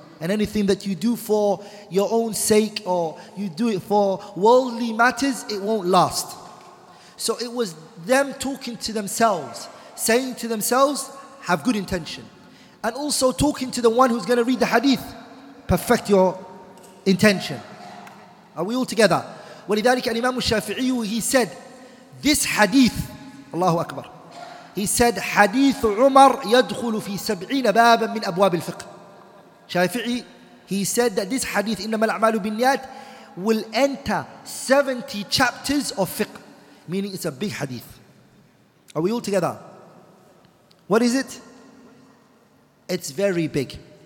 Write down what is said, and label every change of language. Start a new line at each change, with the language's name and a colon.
English: And anything that you do for your own sake or you do it for worldly matters, it won't last. So it was them talking to themselves, saying to themselves, have good intention. And also talking to the one who's going to read the hadith, perfect your intention. Are we all together?
Arabic: وَلِذَلِكَ الْإِمَامُ الشَّافِعِيُّ,
English: he said, this hadith, Allahu Akbar, he said,
Arabic: حَدِيثُ عُمَرْ يَدْخُلُ فِي سَبْعِينَ بَابًا مِنْ أَبْوَابِ الْفِقْهِ.
English: Shafi'i, he said that this hadith,
Arabic: إِنَّمَا الْعَمَالُ بِالنِّيَاتِ,
English: will enter 70 chapters of fiqh. Meaning it's a big hadith. Are we all together? What is it? It's very big.